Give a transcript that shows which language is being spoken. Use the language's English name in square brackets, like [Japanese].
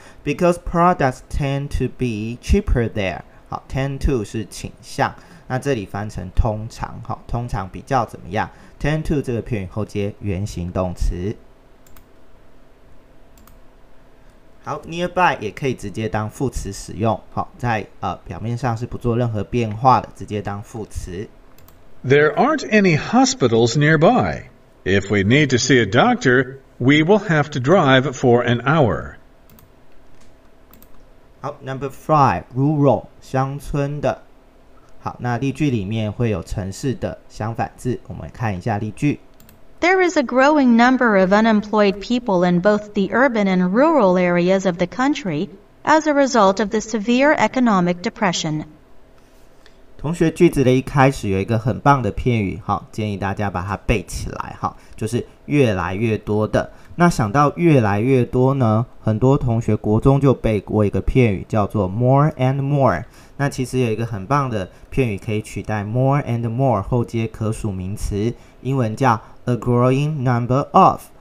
[English] Because products tend to be cheaper there， [Chinese] 好， tend to 是倾向，那这里翻成通常，好，通常比较怎么样， tend to 这个片语后接原形动词。好， nearby 也可以直接当副词使用，好，在表面上是不做任何变化的，直接当副词。 [English] There aren't any hospitals nearby. If we need to see a doctor, we will have to drive for an hour. 好， number five, rural, [Chinese] 乡村的。好，那例句里面会有城市的相反字，我们看一下例句。 [English] There is a growing number of unemployed people in both the urban and rural areas of the country as a result of the severe economic depression. [Chinese] 同学，句子的一开始有一个很棒的片语，好，建议大家把它背起来，好，就是越来越多的。那想到越来越多呢，很多同学国中就背过一个片语叫做 [English] more and more。 [Chinese] 那其实有一个很棒的片语可以取代 [English] more and more [Chinese] 后接可数名词，英文叫 [English] a growing number of。